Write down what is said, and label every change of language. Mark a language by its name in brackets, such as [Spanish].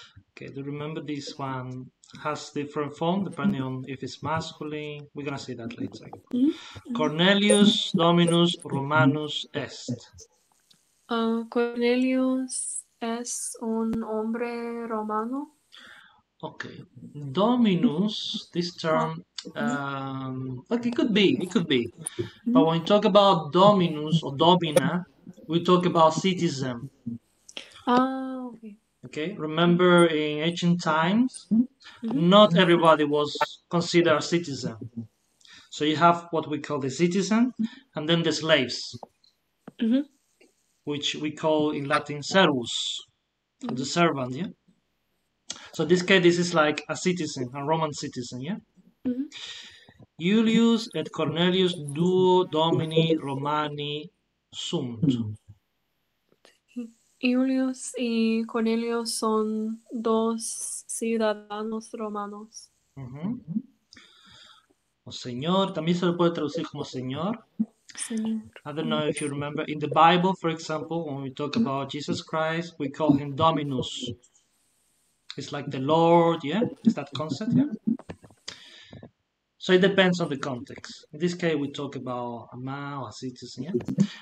[English] Okay, do you remember this one has different form depending on if it's masculine? We're going to see that later. Mm-hmm. [Latin] Cornelius Dominus Romanus est. [Spanish] Cornelius. ¿Es un hombre romano? [English] Okay. Dominus, this term, like it could be. Mm-hmm. But when we talk about Dominus or Domina, we talk about citizen. Ah, okay. Okay, remember in ancient times, mm-hmm. not everybody was considered a citizen. So you have what we call the citizen, and then the slaves. Mm-hmm. Which we call in Latin servus, mm-hmm. the servant, yeah? So in this case, this is like a citizen, a Roman citizen, yeah? Mm-hmm. [Latin] Iulius et Cornelius duo domini Romani sunt. [Spanish] Iulius y Cornelius son dos ciudadanos romanos. Mm-hmm. O señor, también se lo puede traducir como señor. Señor. [English] I don't know if you remember, in the Bible, for example, when we talk about Jesus Christ, we call him Dominus. It's like the Lord, yeah? It's that concept, yeah? So it depends on the context. In this case, we talk about a man or a citizen, yeah?